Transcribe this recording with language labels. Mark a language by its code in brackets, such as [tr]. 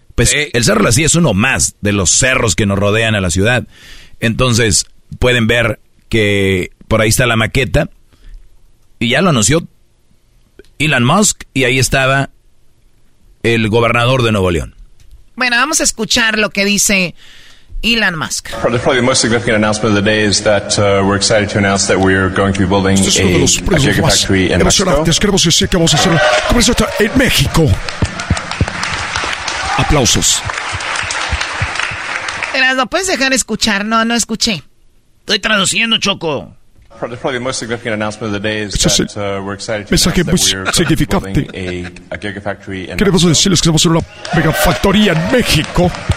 [es] Pues el Cerro de la Silla es uno más de los cerros que nos rodean a la ciudad. Entonces, pueden ver que por ahí está la maqueta. Y ya lo anunció Elon Musk. Y ahí estaba el gobernador de Nuevo León. Bueno, vamos a escuchar lo que dice Elon Musk. [en] Probably the most significant announcement of the day is that we're excited to announce that we're going to be building a gigafactory in Mexico. [es] Aplausos. Erasmo, ¿puedes dejar escuchar? No, no escuché. Estoy traduciendo, Choco. [en] Probably the most significant announcement of the day is that we're excited to announce that we're building a gigafactory in Mexico. [es] Queremos decirles que vamos a hacer una megafactoría en México.